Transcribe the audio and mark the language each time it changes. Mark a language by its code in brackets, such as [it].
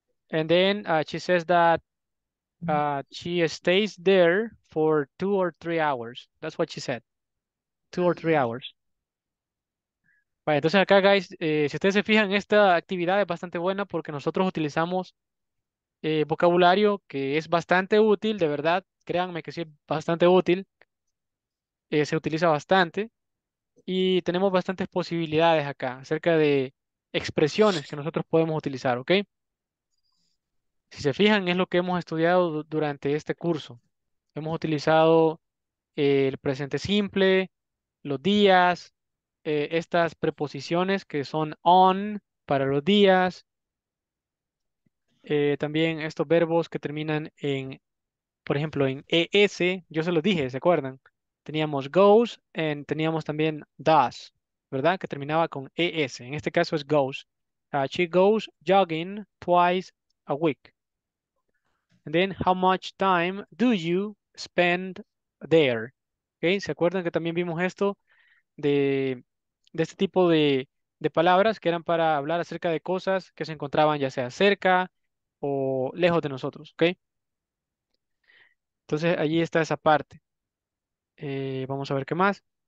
[en] And then she says that she stays there for 2 or 3 hours. That's what she said. 2 or 3 hours. [es] Vale, entonces acá, guys, si ustedes se fijan, esta actividad es bastante buena porque nosotros utilizamos vocabulario que es bastante útil, de verdad. Créanme que sí, es bastante útil. Se utiliza bastante. Y tenemos bastantes posibilidades acá acerca de expresiones que nosotros podemos utilizar, ¿ok? Si se fijan, es lo que hemos estudiado durante este curso. Hemos utilizado el presente simple, los días, estas preposiciones que son on para los días. También estos verbos que terminan en, por ejemplo, en ES, yo se los dije, ¿se acuerdan? Teníamos goes and teníamos también does, ¿verdad? Que terminaba con ES. En este caso es goes. [en] She goes jogging twice a week. And then, how much time do you spend there. ¿Okay? [es] ¿Se acuerdan que también vimos esto de este tipo de palabras que eran para hablar acerca de cosas que se encontraban ya sea cerca o lejos de nosotros? ¿Okay? Entonces, allí está esa parte. Vamos a ver qué más.